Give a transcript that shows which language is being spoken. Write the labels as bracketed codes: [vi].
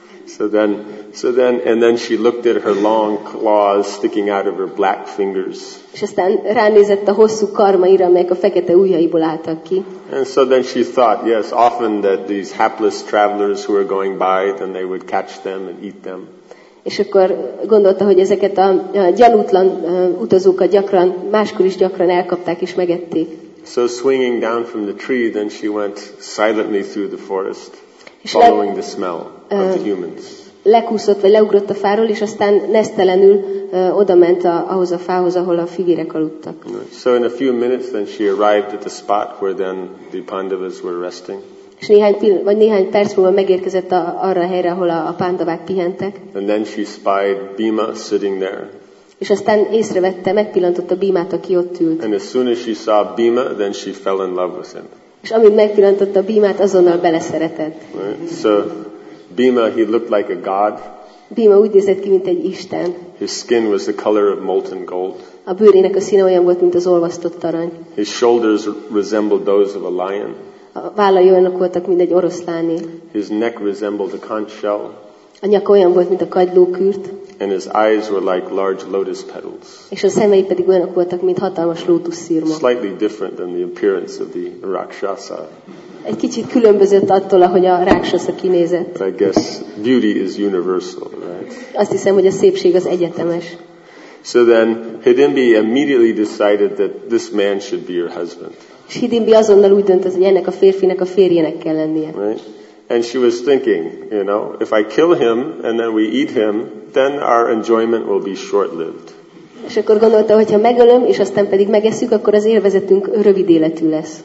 [en] So then she looked at her long claws sticking out of her black fingers. [hu] És aztán ránézett a hosszú karmaira, amelyek a fekete ujjaiból álltak ki. [en] And so then she thought, yes, often that these hapless travelers who were going by, then they would catch them and eat them. [hu] És akkor gondolta, hogy ezeket a gyanútlan utazókat gyakran, máskor is gyakran elkapták és megették. [en] So swinging down from the tree, then she went silently through the forest, following the smell. [hu] Lekúszott vagy leugrott a fáról, és aztán nesztelenül odament ahhoz a fához, ahol a figyérek aludtak. [en] So in a few minutes then she arrived at the spot where then the Pandavas were resting. [hu] És néhány perc múlva megérkezett arra a helyre, ahol a Pandavák pihentek. [en] And then she spied Bhima sitting there. [hu] És aztán észrevette, megpillantotta Bhimát, aki ott ült. [en] And as soon as she saw Bhima, then she fell in love with him. [hu] És amint megpillantotta Bhimát, azonnal beleszeretett. [en] So Bhima, he looked like a god. [hu] Bhima úgy nézett ki, mint egy isten. [en] His skin was the color of molten gold. [hu] A bőrének a színe olyan volt, mint az olvasztott arany. [en] His shoulders resembled those of a lion. [hu] A vállai olyanok voltak, mint egy oroszláné. [en] His neck resembled a conch shell. [hu] A nyaka olyan volt, mint a kagylókürt. [en] And his eyes were like large lotus petals. [hu] És a szemei pedig olyanok voltak, mint hatalmas lótusszirma. [en] Slightly different than the appearance of the rakshasa. [hu] Egy kicsit különbözött attól, ahogy a rákszasza kinézett. [en] But I guess beauty is universal, right? [hu] Azt hiszem, hogy a szépség az egyetemes. [en] So then Hidimbi immediately decided that this man should be her husband. [hu] És Hidimbi azonnal úgy döntött, hogy ennek a férfinek a férjének kell lennie. [en] Right? And she was thinking, you know, if I kill him and then we eat him, then our enjoyment will be short-lived. [hu] És akkor gondolta, hogy ha megölöm, és aztán pedig megesszük, akkor az élvezetünk rövid életű lesz.